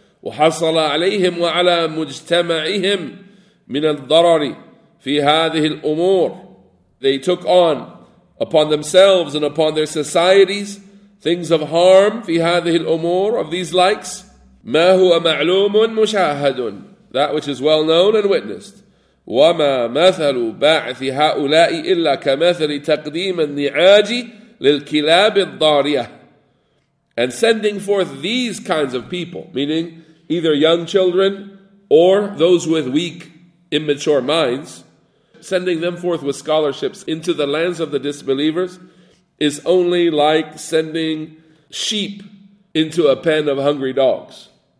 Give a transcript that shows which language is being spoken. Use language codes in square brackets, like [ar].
[ar] وَحَصَلَ عَلَيْهِمْ وَعَلَى مُجْتَمَعِهِمْ مِنَ الضَّرَرِ فِي هَذِهِ الْأُمُورِ [en] They took on upon themselves and upon their societies, things of harm, [ar] في هذه الأمور, [en] of these likes, [ar] ما هو معلوم مشاهد, [en] that which is well known and witnessed. [ar] وما مثل بعث هؤلاء إلا كمثل تقديم النعاج للكلاب الضارية. [en] And sending forth these kinds of people, meaning either young children or those with weak, immature minds, sending them forth with scholarships into the lands of the disbelievers is only like sending sheep into a pen of hungry dogs.